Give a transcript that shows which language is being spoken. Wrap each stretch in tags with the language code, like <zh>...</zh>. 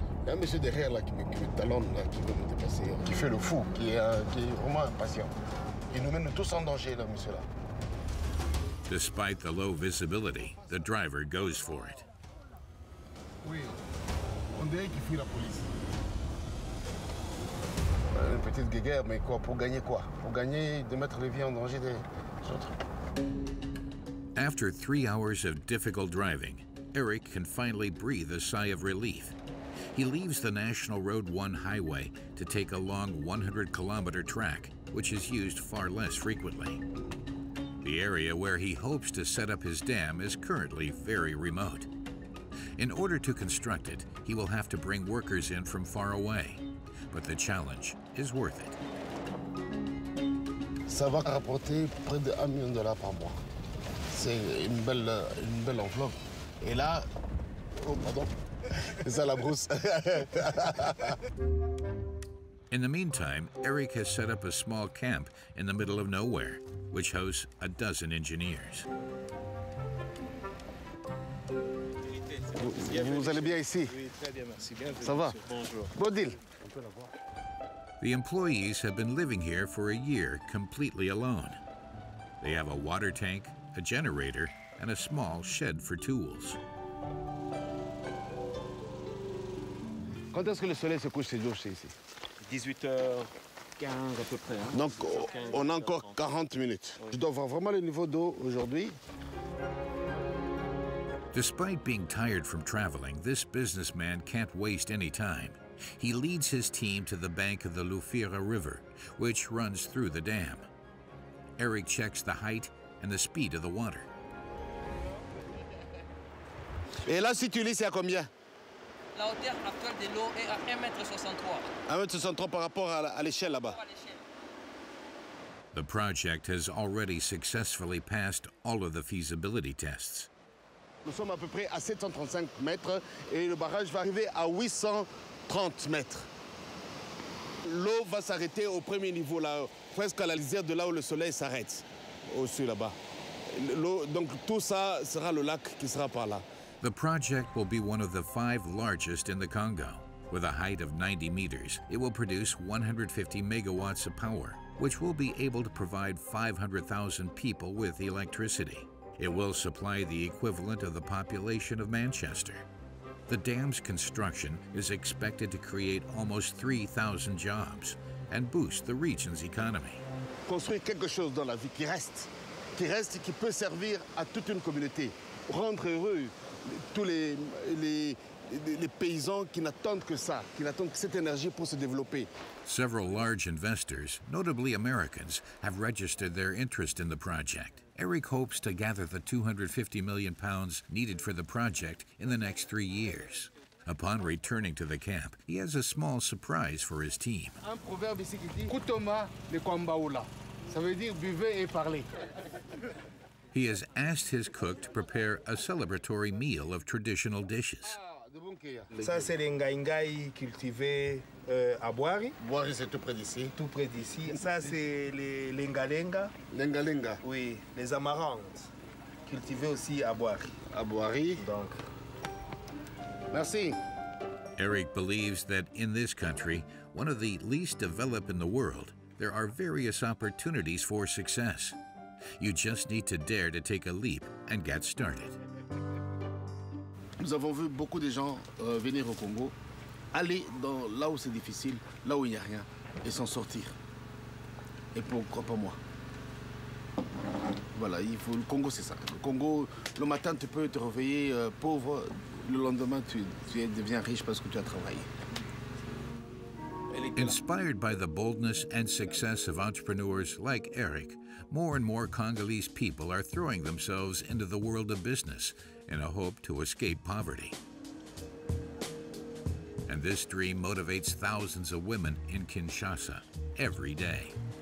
<fr>Il y a un monsieur derrière là qui talonne là qui veut me dépasser. Qui fait le fou, qui est vraiment impatient. Il nous mène tous en danger là, monsieur là.</fr> <en>Despite the low visibility, the driver goes for it.</en> <fr>Oui. On dirait qu'il fuit la police. Une petite guéguerre, mais quoi, pour gagner quoi? Pour gagner de mettre les vies en danger des autres.</fr> <en>After 3 hours of difficult driving, Eric can finally breathe a sigh of relief. He leaves the National Road 1 highway to take a long 100-kilometer track, which is used far less frequently. The area where he hopes to set up his dam is currently very remote. In order to construct it, he will have to bring workers in from far away. But the challenge is worth it.</en> <fr>Ça va rapporter près de 1 million de dollars par mois. C'est une belle enveloppe. Et là, oh pardon, C'est ça, la brousse.</fr> <en>In the meantime, Eric has set up a small camp in the middle of nowhere, which hosts a dozen engineers.</en> <fr>Vous allez bien ici? Oui, très bien, merci. Ça va? Bonjour. Bon deal.</fr> <en>The employees have been living here for a year completely alone. They have a water tank, a generator, and a small shed for tools.</en> <fr>Quand est-ce que le soleil se couche ces jours ici? 18h15 à peu près. Hein? Donc, 15, on a encore 40 minutes. Oui. Je dois voir vraiment le niveau d'eau aujourd'hui.</fr> <en>Despite being tired from traveling, this businessman can't waste any time. He leads his team to the bank of the Lufira River, which runs through the dam. Eric checks the height and the speed of the water.</en> <fr>Et là, si tu lis, c'est à combien? La hauteur actuelle de l'eau est à 1,63 m. 1,63 m par rapport à l'échelle là-bas.</fr> <en>The project has already successfully passed all of the feasibility tests.</en> <fr>Nous sommes à peu près à 735 mètres et le barrage va arriver à 830 mètres. L'eau va s'arrêter au premier niveau, là, presque à la lisière de là où le soleil s'arrête, au-dessus là-bas. L'eau, donc tout ça sera le lac qui sera par là.</fr> <en>The project will be one of the five largest in the Congo. With a height of 90 meters, it will produce 150 megawatts of power, which will be able to provide 500,000 people with electricity. It will supply the equivalent of the population of Manchester. The dam's construction is expected to create almost 3,000 jobs and boost the region's economy.</en> <fr>Construire quelque chose dans la vie qui reste, qui peut servir à toute une communauté, rendre heureux tous les paysans qui n'attendent que ça, qui n'attendent que cette énergie pour se développer.</fr> <en>Several large investors, notably Americans, have registered their interest in the project. Eric hopes to gather the 250 million pounds needed for the project in the next 3 years. Upon returning to the camp, he has a small surprise for his team.</en> <fr>Un proverbe ici qui dit, Kutoma le kwambaula. Ça veut dire buvez et parlez.</fr> <en>He has asked his cook to prepare a celebratory meal of traditional dishes.</en> <fr>Ça, c'est les ngaï-ngaï cultivés à Boari. Boari, c'est tout près d'ici. Tout près d'ici. Ça, c'est les lenga-lenga. Lenga-lenga. Oui, les amarantes cultivées aussi à Boari. À Boari. Donc. Merci.</fr> <en>Eric believes that in this country, one of the least developed in the world, there are various opportunities for success. You just need to dare to take a leap and get started.</en> <fr>Nous avons vu beaucoup de gens venir au Congo, aller dans là où c'est difficile, là où il n'y a rien, et s'en sortir. Et pourquoi pas moi? Voilà, il faut, le Congo c'est ça. Le Congo, le matin tu peux te réveiller pauvre, le lendemain tu deviens riche parce que tu as travaillé.</fr> <en>Inspired by the boldness and success of entrepreneurs like Eric, more and more Congolese people are throwing themselves into the world of business in a hope to escape poverty. And this dream motivates thousands of women in Kinshasa every day.</en>